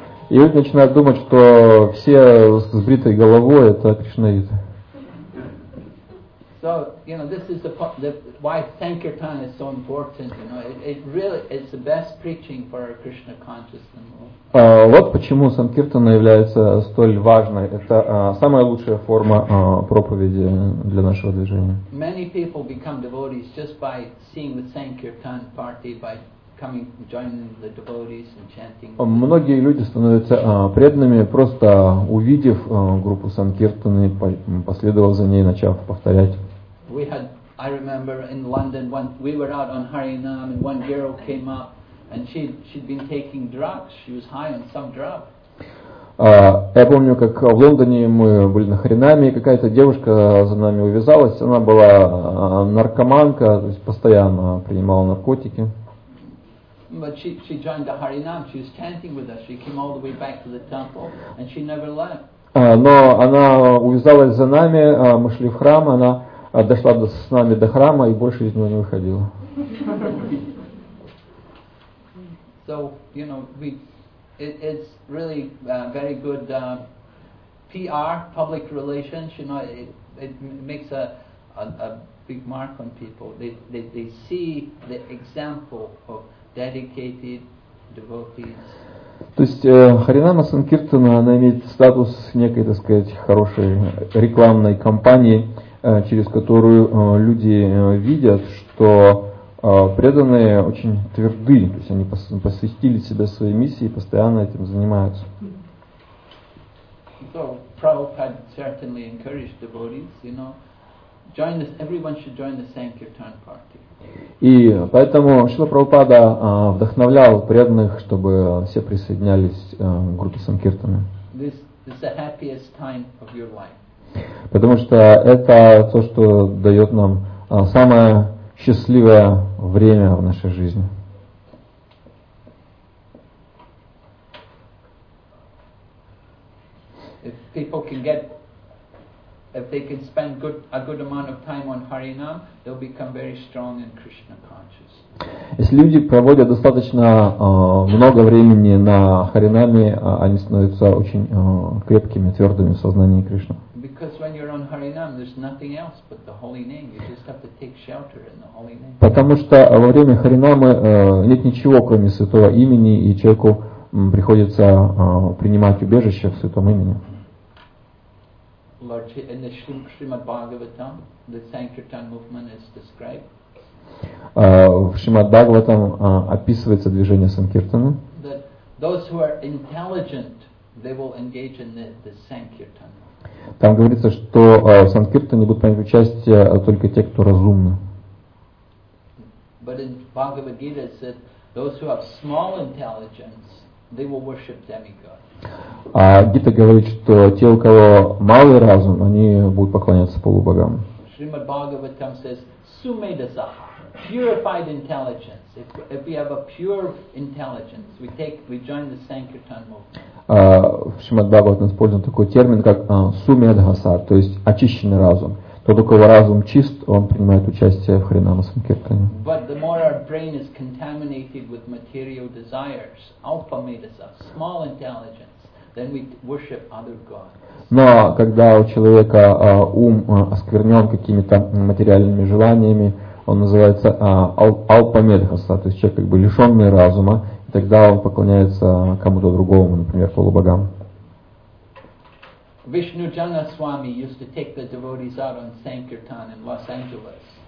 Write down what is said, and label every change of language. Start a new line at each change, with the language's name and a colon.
Russian: И люди начинают думать, что все с бритой головой — это кришнаиты.
English: So, you know, this is the why Sankirtan is so important. You know, it really is the best preaching for our Krishna consciousness.
Russian: Вот почему Санкиртана является столь важной. Это самая лучшая форма проповеди для нашего движения.
English: Many people become devotees just by seeing the Sankirtan party, by coming, joining the devotees and chanting.
Russian: Многие люди становятся преданными, просто увидев группу Санкиртаны, последовав за ней, начав повторять.
English: I remember in London when we were out on Harinam and one girl came up and she'd been taking drugs. She was high on some drug.
Russian: Я помню, как в Лондоне мы были на Харинаме, и какая-то девушка за нами увязалась. Она была наркоманка, то есть постоянно принимала наркотики.
English: But she joined the Harinam. She was chanting with us. She came all the way back to the temple and she never left.
Russian: Но она увязалась за нами, мы шли в храм, она дошла с нами до храма и больше из него не выходила.
English: So, you know, it's really very good PR, public relations, you know, it makes a big mark on people. They see the example of dedicated devotees.
Russian: То есть Харинама Санкиртана, она имеет статус некой, так сказать, хорошей рекламной кампании, через которую люди видят, что преданные очень тверды, то есть они посвятили себя своей миссии и постоянно этим занимаются.
English: So, Prabhupada certainly encouraged devotees, you know, everyone should join the Sankirtan party.
Russian: И поэтому Шрила Прабхупада вдохновлял преданных, чтобы все присоединялись к группе Санкиртаны.
English: This is the happiest time of your life.
Russian: Потому что это то, что дает нам самое счастливое время в нашей жизни.
English: If people can get, if they can spend a good amount of time on Harinam, they'll become very strong in Krishna consciousness.
Russian: Если люди проводят достаточно много времени на Харинаме, они становятся очень крепкими, твердыми в сознании Кришны.
English: Because when you're on Harinam, there's nothing else but the holy name. You just have to take shelter in the holy name.
Russian: Потому что во время Харинамы нет ничего, кроме святого имени, и человеку приходится принимать убежище в святом имени.
English: In the Srimad Bhagavatam, the Sankirtan movement is described.
Russian: В Шримад Бхагаватам описывается движение Санкиртана.
English: Those who are intelligent, they will engage in the Sankirtan.
Russian: Там говорится, что в Санкиртане будут принимать участие только те, кто разумны.
English: But in Bhagavad Gita it said, those who have small intelligence, they will worship demigods.
Russian: А Гита говорит, что те, у кого малый разум, они будут поклоняться полубогам.
English: Шримад Бхагаватам says, Сумедасаха. Purified intelligence. If we have a pure intelligence, we join the Sankirtan movement.
Russian: В Шримад Бхагаватам использован такой термин, как сумедхаса, то есть очищенный разум. Тот, у кого разум чист, он принимает участие в Харинама Санкиртане.
English: But the more our brain is contaminated with material desires, alpamedhasa, small intelligence, then we worship other gods.
Russian: Но когда у человека ум осквернен какими-то материальными желаниями, он называется алпамедхаса, то есть человек как бы лишенный разума, и тогда он поклоняется кому-то другому, например, полубогам.
English: Вишну Джана Свами used to take the devotees out on Sankirtan in Los Angeles.